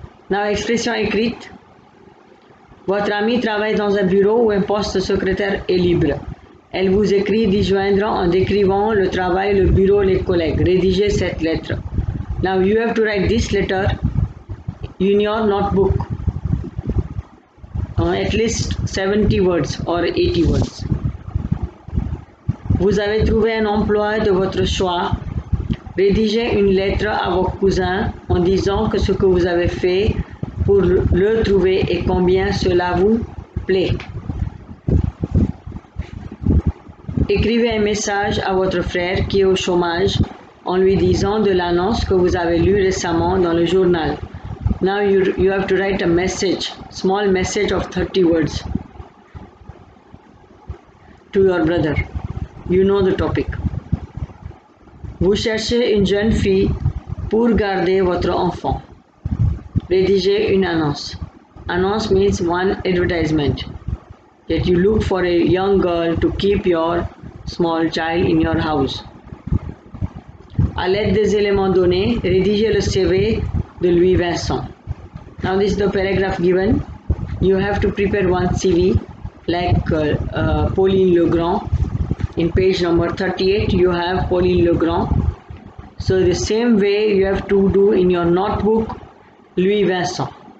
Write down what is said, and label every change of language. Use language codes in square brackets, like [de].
[fr] Dans l'expression écrite, votre amie travaille dans un bureau où un poste secrétaire est libre. Elle vous écrit d'y joindre en décrivant le travail, le bureau, les collègues. Rédigez cette lettre. [en] Now you have to write this letter in your notebook. At least 70 words or 80 words. [fr] Vous avez trouvé un emploi de votre choix. Rédigez une lettre à vos cousins en disant que ce que vous avez fait pour le trouver et combien cela vous plaît. Écrivez un message à votre frère qui est au chômage en lui disant de l'annonce que vous avez lue récemment dans le journal. [en] Now you have to write a message, small message of 30 words to your brother. You know the topic. [fr] Vous cherchez une jeune fille pour garder votre enfant. Rédigez une annonce. [en] Annonce means one advertisement. That you look for a young girl to keep your small child in your house. [fr] À l'aide des éléments donnés, rédigez le CV de Louis Vincent. [en] Now this is the paragraph given. You have to prepare one CV like Pauline Legrand. In page number 38, you have Pauline Legrand. So the same way you have to do in your notebook, Louis Vincent.